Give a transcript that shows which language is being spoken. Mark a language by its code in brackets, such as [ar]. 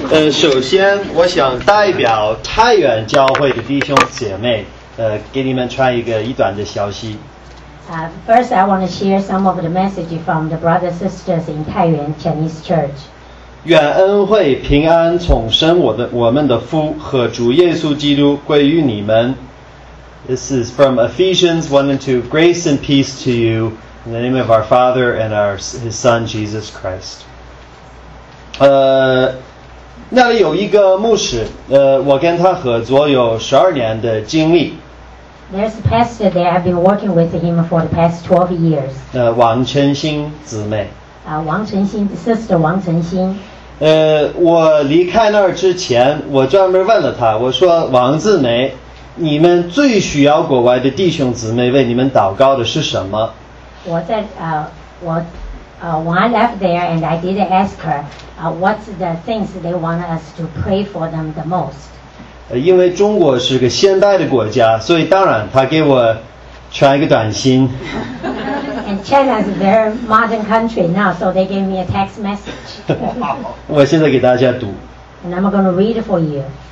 [zh] 首先我想代表太原教会的弟兄姐妹给你们传一段的消息。 [en] First, I want to share some of the message from the brothers and sisters in Taiyuan Chinese Church. [zh] 愿恩惠平安从生我们的父和主耶稣基督归于你们。 [en] This is from Ephesians 1 and 2. Grace and peace to you in the name of our Father and his Son, Jesus Christ. [zh] 那里有一个牧师我跟他合作有12年的经历。 [en] There's a pastor there. I've been working with him for the past 12 years. [zh] 王晨星姊妹。王晨星 sister 王晨星。我离开那儿之前，我专门问了他，我说：“王姊妹，你们最需要国外的弟兄姊妹为你们祷告的是什么？” [en] When I left there, and I did ask her, what's the things they want us to pray for them the most? [zh] 因为中国是个现代的国家，所以当然他给我传一个短信。 [en] And China is a very modern country now, so they gave me a text message. [zh] 我现在给大家读。 [en] And I'm going to read for you.